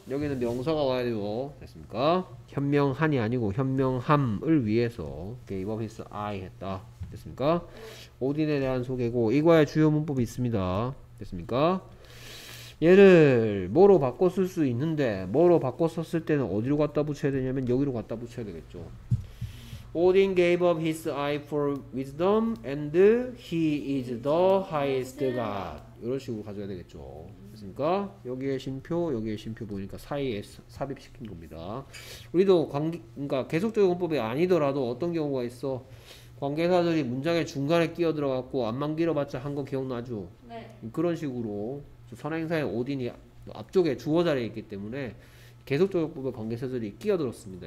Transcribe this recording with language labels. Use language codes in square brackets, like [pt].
[ko] 여기는 명사가 와야 되고. 됐습니까? 현명한이 아니고 현명함을 위해서 [en] gave up his eye [ko] 했다. 됐습니까? 오딘에 대한 소개고 이과의 주요 문법이 있습니다. 됐습니까? 얘를 뭐로 바꿔 쓸 수 있는데 뭐로 바꿔 썼을 때는 어디로 갖다 붙여야 되냐면 여기로 갖다 붙여야 되겠죠. [en] Odin gave up his eye for wisdom and he is the highest god. [ko] 이런 식으로 가져야 되겠죠. 됐습니까? 여기에 심표, 여기에 심표 보니까 사이에 삽입시킨 겁니다. 우리도 관계, 그러니까 계속적인 문법이 아니더라도 어떤 경우가 있어. 관계사들이 문장의 중간에 끼어들어갖고 앞만 길어봤자 한 거 기억나죠? 네. 그런 식으로 선행사의 오딘이 앞쪽에 주어 자리에 있기 때문에 계속적인 문법의 관계사들이 끼어들었습니다.